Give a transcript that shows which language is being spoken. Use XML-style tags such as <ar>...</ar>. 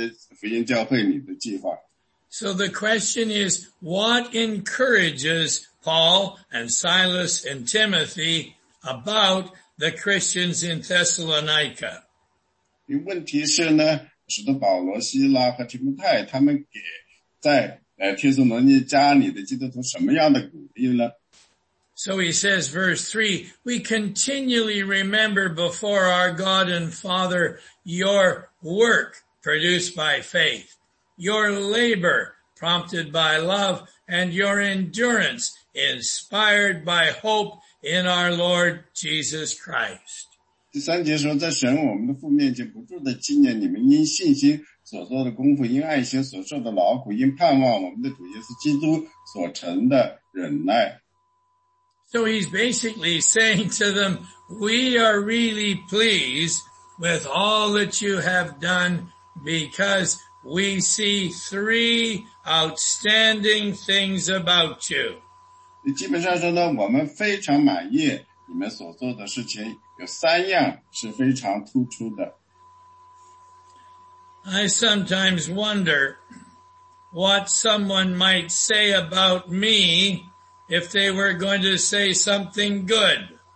<zh>所以，为了成为一个得胜的教会呢，我们希望呢，我们需要有人为神工作，也需要有领导呢，鼓励他们这样工作。这就是我们在16节福音教会里的计划。</zh> <en>So the question is, what encourages Paul and Silas and Timothy about the Christians in Thessalonica?</en> <zh>问题是呢，使徒保罗、希拉和提摩太他们给在</zh> <en>So he says, verse 3, we continually remember before our God and Father your work produced by faith, your labor prompted by love and your endurance inspired by hope in our Lord Jesus Christ.</en> <zh>第三节说，在神我们的父面前，不住的纪念你们因信心所做的功夫，因爱心所受的劳苦，因盼望我们的主耶稣基督所成的忍耐。</zh> <en>So he's basically saying to them, we are really pleased with all that you have done because we see three outstanding things about you.</en> <zh>基本上说呢，我们非常满意你们所做的事情，有三样是非常突出的。</zh> <en>I sometimes wonder what someone might say about me if they were going to say something good.</en>